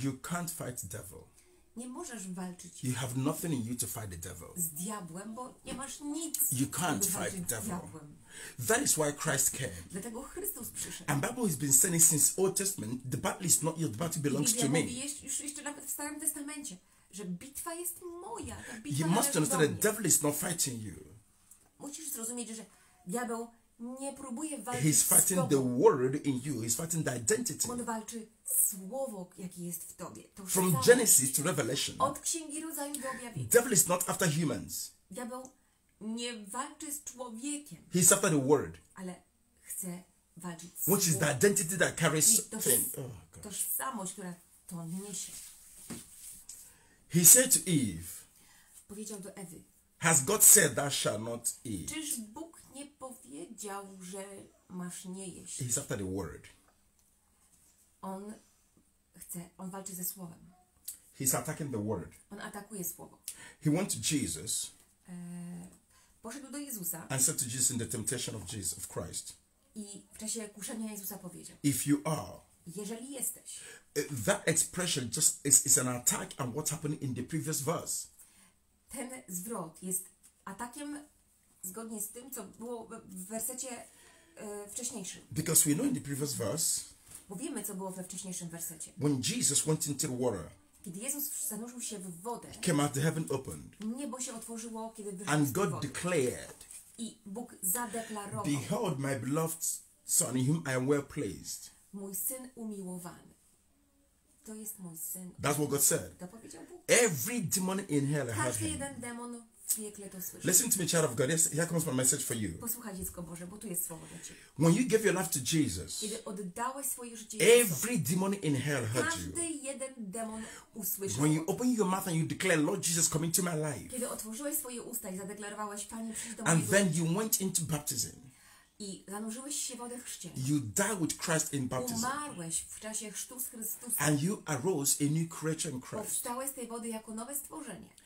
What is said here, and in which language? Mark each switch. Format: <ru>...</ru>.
<en>You can't fight the devil.</en> <pl>Nie możesz walczyć.</pl> <en>You have nothing in you to fight the devil.</en> <pl>Z diabłem, bo nie masz nic.</pl> <en>You can't fight the devil. That is why Christ came.</en> <pl>Dlatego Chrystus przyszedł.</pl> <en>And Bible has been saying since Old Testament, the battle is not your, the battle belongs to me.</en> <pl>Jeszcze nawet w Starym Testamencie, że bitwa jest moja.</pl> <en>You must understand that the devil is not fighting you.</en> <pl>Musisz zrozumieć, że diabeł nie próbuje walczyć.</pl> <en>He's fighting the word in you. He's fighting the identity.</en> <pl>On walczy słowo, jakie jest w tobie.</pl> <en>From Genesis to Revelation.</en> <pl>Od Księgi Rodzaju do Objawienia.</pl> <en>Devil is not after humans.</en> <pl>Diabeł nie walczy z człowiekiem.</pl> <en>He's after the word.</en> <pl>Ale chce walczyć słowo.</pl> <en>Which is the identity that carries thing.</en> <pl>Tożsamość, która to niesie.</pl> <en>He said to Eve.</en> <pl>Powiedział do Ewy.</pl> <en>Has God said thou shall not eat?</en> <pl>Czyż Bóg nie powiedział, że masz nie jeść?</pl> <en>He's after the word.</en> <pl>On chce, on walczy ze słowem.</pl> <en>He's attacking the word.</en> <pl>On atakuje słowo.</pl> <en>He went to Jesus.</en> <pl>Poszedł do Jezusa.</pl> <en>And said to Jesus in the temptation of Jesus of Christ.</en> <pl>I w czasie kuszenia Jezusa powiedział.</pl> <en>If you are.</en> <pl>Jeżeli jesteś.</pl> <en>That expression just is an attack on what happened in the previous verse.</en> <pl>Ten zwrot jest atakiem zgodnie z tym, co było w wersecie wcześniejszym.</pl> <en>Because we know in the previous verse.</en> <pl>Bo wiemy, co było we wcześniejszym wersecie.</pl> <en>When Jesus went into the water.</en> <pl>Kiedy Jezus zanurzył się w wodę.</pl> <en>Came out, the heaven opened.</en> <pl>Niebo się otworzyło, kiedy wyszedł.</pl> <en>And</en> <pl>z</pl> <en>God</en> <pl>wody.</pl> <en>Declared.</en> <pl>I Bóg zadeklarował.</pl> <en>Behold, my beloved Son, in whom I am well pleased.</en> <pl>Mój syn umiłowany. To jest mój syn.</pl> <en>That's what God said.</en> <pl>To powiedział Bóg.</pl> <en>Every demon in hell</en> <pl>każdy</pl> <en>heard him.</en> <pl>Jeden demon w piekle to słyszy.</pl> <en>Listen to me, child of God. Yes, here comes my message for you.</en> <pl>Posłuchaj, dziecko Boże, bo tu jest słowo dla ciebie.</pl> <en>When you give your life to Jesus,</en> <pl>kiedy oddałeś swoje życie Jezusowi,</pl> <en>every demon in hell heard</en> <pl>każdy</pl> <en>you.</en> <pl>Każdy jeden demon usłyszał.</pl> <en>When you open your mouth and you declare, Lord Jesus, come into my life.</en> <pl>Kiedy otworzyłeś swoje usta i zadeklarowałeś, Panie, przyjdź do mojego.</pl> <en>And then you went into baptism.</en> <pl>I zanurzyłeś się w wodę chrzcielną.</pl> <en>You died with Christ in baptism.</en> <pl>Umarłeś w czasie chrztu z Chrystusem.</pl> <en>And you arose a new creature in Christ.</en> <pl>Powstałeś z tej wody jako nowe stworzenie.</pl>